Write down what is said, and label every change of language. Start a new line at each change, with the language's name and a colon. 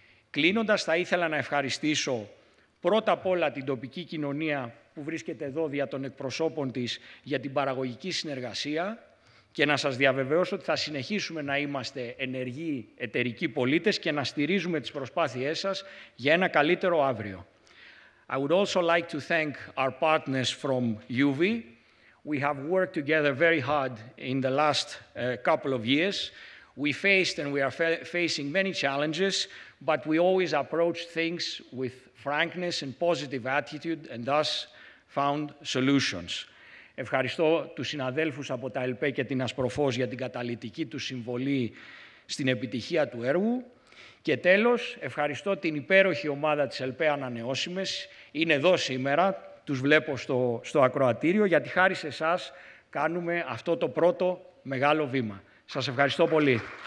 Greek: Κλείνοντας, θα ήθελα να ευχαριστήσω πρώτα απ' όλα την τοπική κοινωνία που βρίσκεται εδώ δια των εκπροσώπων της για την παραγωγική συνεργασία και να σας διαβεβαιώσω ότι θα συνεχίσουμε να είμαστε ενεργοί εταιρικοί πολίτες και να στηρίζουμε τις προσπάθειές σας για ένα καλύτερο αύριο.
English: I would also like to thank our partners from UV. We have worked together very hard in the last couple of years. We faced and we are facing many challenges, but we always approached things with frankness and positive attitude and thus found solutions.
Greek: Ευχαριστώ τους συναδέλφους από τα ΕΛΠΕ και την Ασπροφός για την καταλυτική του συμβολή στην επιτυχία του έργου. Και τέλος, ευχαριστώ την υπέροχη ομάδα της ΕΛΠΕ Ανανεώσιμες. Είναι εδώ σήμερα, τους βλέπω στο ακροατήριο, γιατί χάρη σε εσάς κάνουμε αυτό το πρώτο μεγάλο βήμα. Σας ευχαριστώ πολύ.